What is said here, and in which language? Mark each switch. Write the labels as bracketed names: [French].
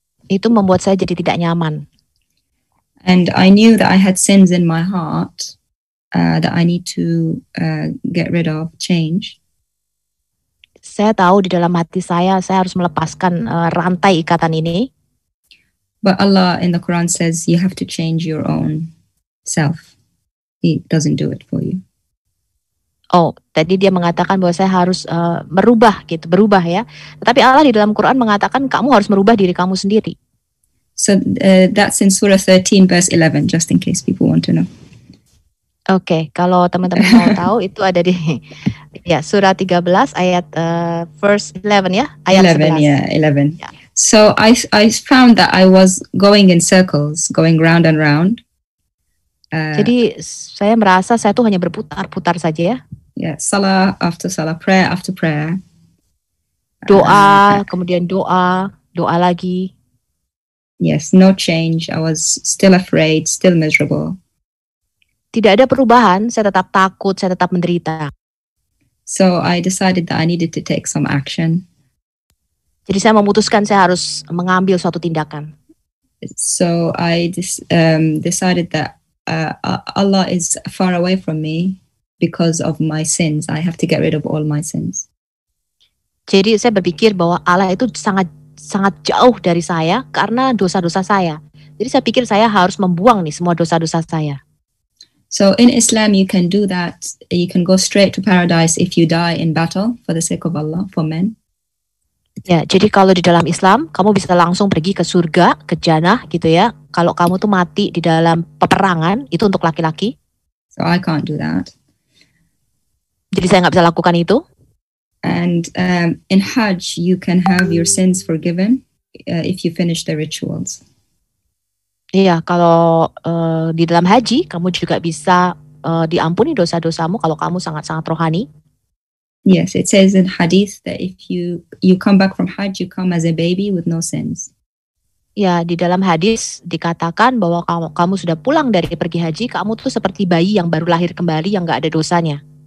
[Indonesian] Itu membuat saya jadi tidak nyaman. [English] And I knew that I had sins in my heart that I need to get rid of, change. [Indonesian] Saya tahu di dalam hati saya harus melepaskan rantai ikatan ini. [English] But Allah in the Quran says you have to change your own self. He doesn't do it for you. [Indonesian] Oh, tadi dia mengatakan bahwa saya harus merubah gitu, berubah ya. Tetapi Allah di dalam Quran mengatakan kamu harus merubah diri kamu sendiri. [English] So that's in Surah 13 verse 11, just in case people want to know. [Indonesian] Okay, kalau teman-teman mau tahu itu ada di ya Surah 13 ayat [English] verse [Indonesian] 11 ya, ayat 11, 11. [English] Yeah, 11. Yeah. So I found that I was going in circles, going round and round. [Indonesian] Jadi saya merasa saya tuh hanya berputar-putar saja ya. [English] Yeah, salah after salah, prayer after prayer. [Indonesian] Doa, kemudian doa, doa lagi. [English] Yes, no change. I was still afraid, still miserable. [Indonesian] Tidak ada perubahan, saya tetap takut, saya tetap menderita. [English] So I decided that I needed to take some action. [Indonesian] Jadi saya memutuskan saya harus mengambil suatu tindakan. [English] So I decided that Allah is far away from me because of my sins. I have to get rid of all my sins. [Indonesian] Jadi saya berpikir bahwa Allah itu sangat sangat jauh dari saya karena dosa-dosa saya. Jadi saya pikir saya harus membuang nih semua dosa-dosa saya. [English] So in Islam you can do that. You can go straight to paradise if you die in battle for the sake of Allah, for men. [Indonesian] Ya, jadi kalau di dalam Islam kamu bisa langsung pergi ke surga, ke jannah gitu ya. Kalau kamu tuh mati di dalam peperangan itu untuk laki-laki. [English] So I can't do that. [Indonesian] Jadi saya enggak bisa lakukan itu. [English] And in Hajj you can have your sins forgiven if you finish the rituals. [Indonesian] Iya, kalau di dalam haji kamu juga bisa diampuni dosa-dosamu kalau kamu sangat-sangat rohani. [English] Yes, it says in hadith that if you come back from Hajj, you come as a baby with no sins. [Indonesian] Ya, di dalam hadis dikatakan bahwa kamu sudah pulang dari pergi haji, kamu tuh seperti bayi yang baru lahir kembali yang enggak ada dosanya.